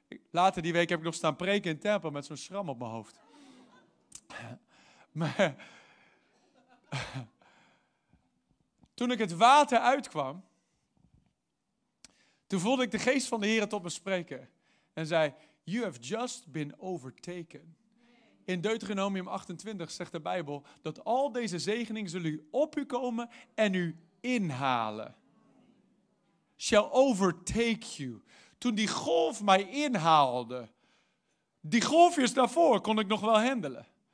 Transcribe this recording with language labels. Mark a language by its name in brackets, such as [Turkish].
[Dutch] Later die week heb ik nog staan preken in Tempel met zo'n schram op mijn hoofd. Maar toen ik het water uitkwam, toen voelde ik de geest van de Heer tot me spreken. En zei, [English] you have just been overtaken. [Dutch] In Deuteronomium 28 zegt de Bijbel dat al deze zegeningen zullen u op u komen en u inhalen. [English] Shall overtake you. [Dutch] Toen die golf mij inhaalde, die golfjes daarvoor kon ik nog wel handelen.